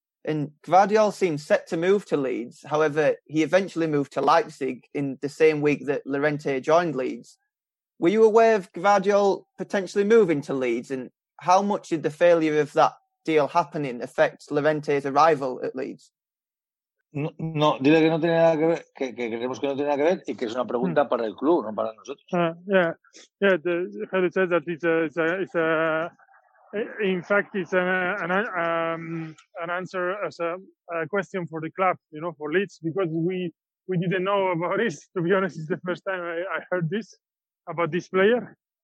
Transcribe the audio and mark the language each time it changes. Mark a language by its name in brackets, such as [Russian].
[English] And Gvardiol seemed set to move to Leeds. However, he eventually moved to Leipzig in the same week that Llorente joined Leeds. Were you aware of Gvardiol potentially moving to Leeds? And how much did the failure of that deal happening affect Llorente's arrival at Leeds? [Spanish] No, no, dile que no tiene nada que ver, que creemos que no tiene nada que ver, y que es una pregunta para el club, no para nosotros. [English] Harry says that it's an question for the club, you know, for Leeds, because we didn't know about this. To be honest, it's the first time I heard this about this player.